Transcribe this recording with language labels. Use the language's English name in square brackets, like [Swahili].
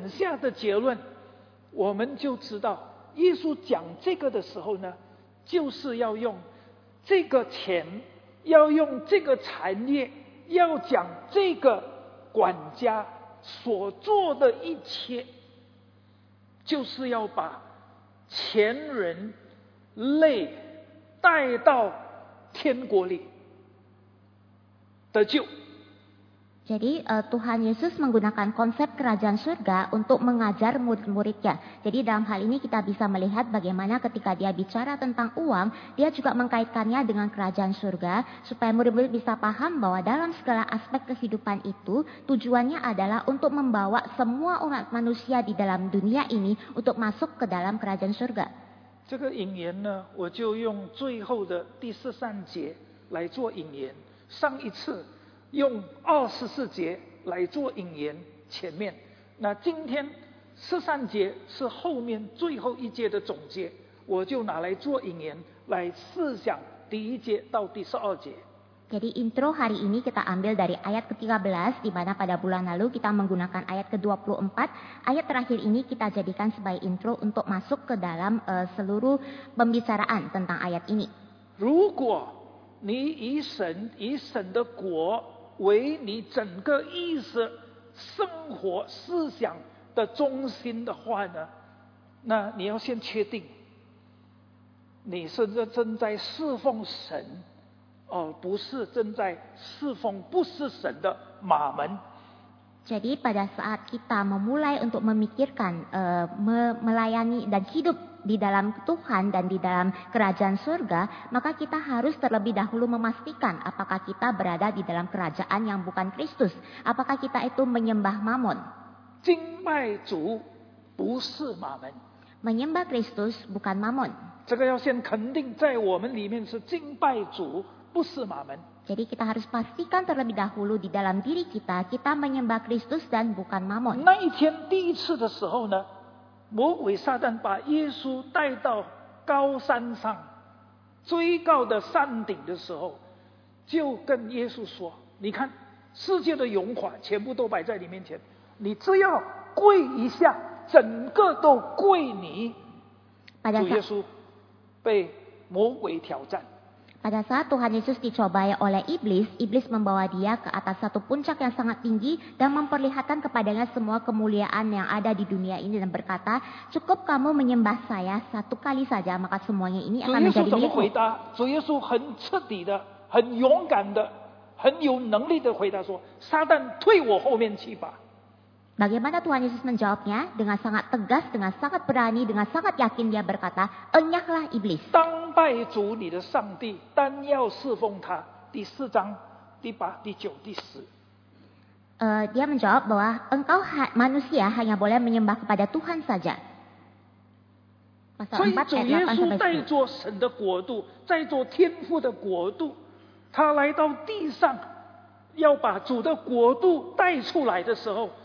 [Chinese] 就像这一段经文，我们要讲的，主耶稣因为他带着他的国度来教导门徒的时候，所以呢，当他讲到产业，当他讲到金钱，当他讲到管家，当他教导的时候呢，那个神的国一直在他的头脑里面。后来呢，是怎么样？等下的结论，我们就知道。耶稣讲这个的时候呢，就是要用这个钱，要用这个产业，要讲这个管家所做的一切，就是要把前人类带到天国里得救。 [Indonesian] Jadi Tuhan Yesus menggunakan konsep kerajaan surga untuk mengajar murid-muridnya. Jadi dalam hal ini kita bisa melihat bagaimana ketika dia bicara tentang uang, dia juga mengkaitkannya dengan kerajaan surga, supaya murid-murid bisa paham bahwa dalam segala aspek kehidupan itu, tujuannya adalah untuk membawa semua umat manusia di dalam dunia ini untuk masuk ke dalam kerajaan surga. [Chinese] 这个引言呢, 我就用最后的第13节来做引言。上一次, 用24节来做引言前面，那今天13节是后面最后一节的总结，我就拿来做引言来思想第1节到第12节。 [Indonesian] Jadi intro hari ini kita ambil dari ayat ke-13 di mana pada bulan lalu kita menggunakan ayat ke-24. Ayat terakhir ini kita jadikan sebagai intro untuk masuk ke dalam seluruh pembicaraan tentang ayat ini. [Chinese] 如果你以神的国 为你整个意识、生活、思想的中心的话呢，那你要先确定，你是正在侍奉神，而不是正在侍奉不是神的马门。 [Indonesian] Jadi pada saat kita memulai untuk memikirkan melayani dan hidup di dalam Tuhan dan di dalam kerajaan surga, maka kita harus terlebih dahulu memastikan apakah kita berada di dalam kerajaan yang bukan Kristus. Apakah kita itu menyembah mamon? [Chinese] 敬拜主不是马门. [Indonesian] Menyembah Kristus bukan mamon. [Chinese] 这个要先肯定在我们里面是敬拜主不是马门。 [Indonesian] Jadi kita harus pastikan terlebih dahulu di dalam diri kita, kita menyembah Kristus dan bukan mamon. [Chinese] 那一天第一次的时候呢，魔鬼撒旦把耶稣带到高山上，最高的山顶的时候，就跟耶稣说：“你看，世界的荣华全部都摆在你面前，你只要跪一下，整个都跪你。” 主耶稣被魔鬼挑战。 [Indonesian] Pada saat Tuhan Yesus dicobai oleh iblis, iblis membawa dia ke atas satu puncak yang sangat tinggi dan memperlihatkan kepadanya semua kemuliaan yang ada di dunia ini dan berkata, cukup kamu menyembah saya satu kali saja, maka semuanya ini akan menjadi milikmu. [Chinese] 主耶稣怎么回答？主耶稣很彻底的、很勇敢的、很有能力的回答说：“撒旦，退我后面去吧。” [Indonesian] Bagaimana Tuhan Yesus menjawabnya? Dengan sangat tegas, dengan sangat berani, dengan sangat yakin dia berkata, enyahlah iblis. [Chinese] 当拜主你的上帝，但要侍奉他。第四章第八、第九、第十。 [Indonesian] Dia menjawab bahwa engkau manusia hanya boleh menyembah kepada Tuhan saja. [Chinese] 所以主耶稣在做神的国度，在做天父的国度，他来到地上，要把主的国度带出来的时候。